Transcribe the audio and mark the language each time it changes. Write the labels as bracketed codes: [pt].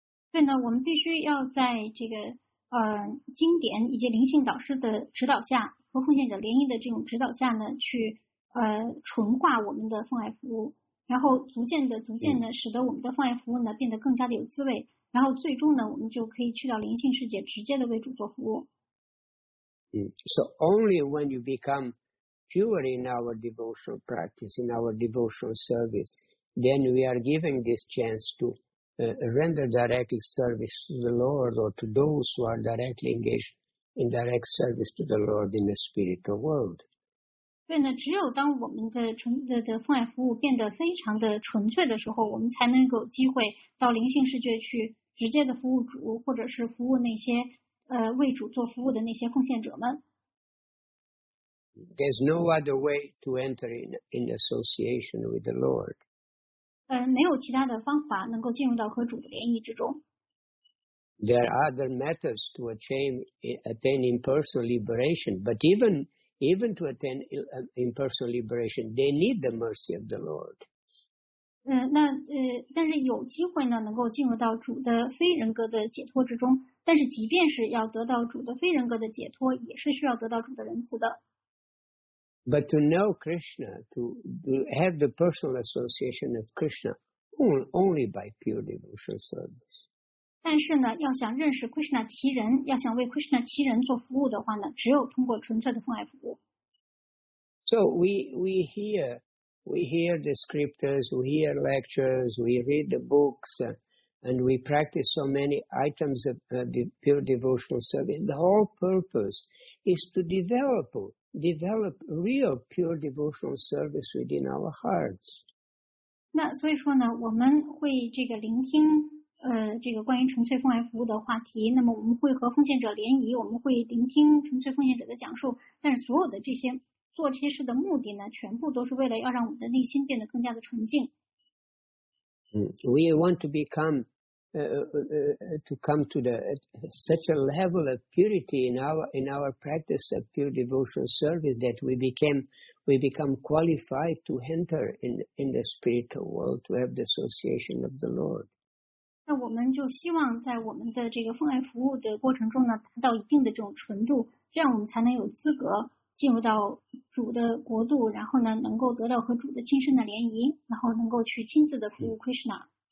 [zh] 所以呢，我们必须要在这个经典以及灵性导师的指导下，和奉献者联谊的这种指导下呢，去纯化我们的奉爱服务，然后逐渐的使得我们的奉爱服务呢变得更加的有滋味。然后最终呢，我们就可以去到灵性世界，直接的为主做服务。 [en] So only when you become pure in our devotional practice, in our devotional service, then we are giving this chance to render direct service to the Lord or to those who are directly engaged in direct service to the Lord in the spiritual world. [zh] 对呢，只有当我们的奉爱服务变得非常的纯粹的时候，我们才能够有机会到灵性世界去。直接的服务主，或者是服务那些为主做服务的那些奉献者们。 [en] There's no other way to enter in association with the Lord. [zh] 没有其他的方法能够进入到和主的联谊之中。 [en] There are other methods to attain impersonal liberation, but even to attain impersonal liberation, they need the mercy of the Lord. [zh] 但是有机会呢，能够进入到主的非人格的解脱之中。但是，即便是要得到主的非人格的解脱，也是需要得到主的仁慈的。 [en] But to know Krishna, to have the personal association of Krishna, only by pure devotional service. [zh] 但是呢，要想认识 Krishna 其人，要想为 Krishna 其人做服务的话呢，只有通过纯粹的奉爱服务。 [en] So we hear the scriptures, we hear lectures, we read the books, and we practice so many items of pure devotional service. The whole purpose is to develop real pure devotional service within our hearts. [zh] 那所以说呢，我们会这个聆听这个关于纯粹奉爱服务的话题，那么我们会和奉献者联谊，我们会聆听纯粹奉献者的讲述，但是所有的这些做这些事的目的呢，全部都是为了要让我们的内心变得更加的纯净。 [en] We want to become to come to the such a level of purity in our practice of pure devotional service that we become qualified to enter in the spiritual world to have the association of the Lord. [zh] 那我们就希望在我们的这个奉爱服务的过程中呢，达到一定的这种纯度，这样我们才能有资格进入到主的国度，然后呢，能够得到和主的亲身的联谊，然后能够去亲自的服务 Krishna。